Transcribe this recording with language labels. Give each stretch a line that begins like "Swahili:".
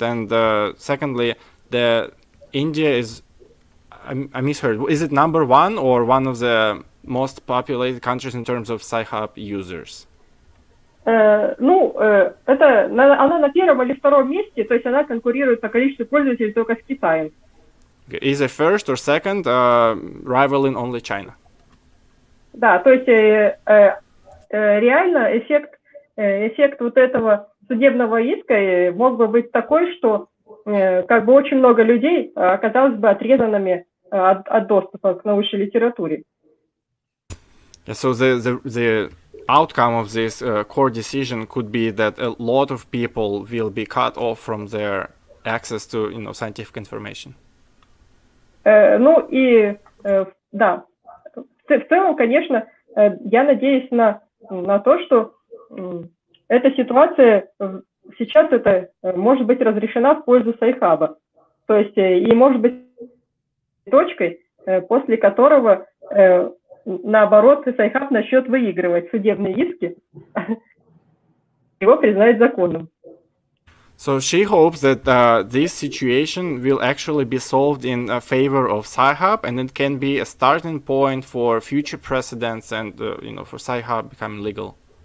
English: And secondly, the India is, I misheard, is it number one or one of the most populated countries in terms of Sci-Hub users?
Russian: Она на первом или втором месте, то есть она конкурирует по количеству пользователей только с Китаем.
English: Is it first or second, rivaling only China?
Russian: Да, то есть реально эффект вот этого судебного иска мог бы быть такой, что как бы очень много людей оказалось бы отрезанными от доступа к научной литературе.
English: So the outcome of this court decision could be that a lot of people will be cut off from their access to, you know, scientific information.
Russian: Да. В целом, конечно, я надеюсь на то, что эта ситуация сейчас это может быть разрешена в пользу Sci-Hub. То есть и может быть точкой, после которого наоборот, Sci-Hub начнет выигрывать судебные иски, его признают законным.
English: So she hopes that this situation will actually be solved in favor of Sci-Hub, and it can be a starting point for future precedents and, for Sci-Hub becoming legal.